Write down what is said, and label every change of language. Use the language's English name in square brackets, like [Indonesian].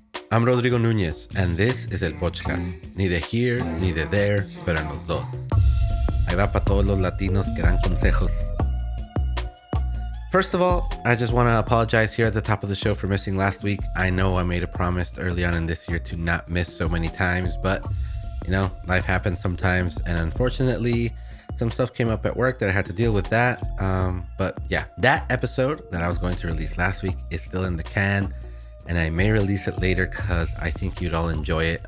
[English] I'm Rodrigo Núñez, and this is El Podcast. [Spanish] Ni de here, ni de there, pero en los dos. Ahí va para todos los latinos que dan consejos. [English] First of all, I just want to apologize here at the top of the show for missing last week. I know I made a promise early on in this year to not miss so many times, but, you know, life happens sometimes, and unfortunately, some stuff came up at work that I had to deal with that. But yeah, that episode that I was going to release last week is still in the can, and I may release it later because I think you'd all enjoy it.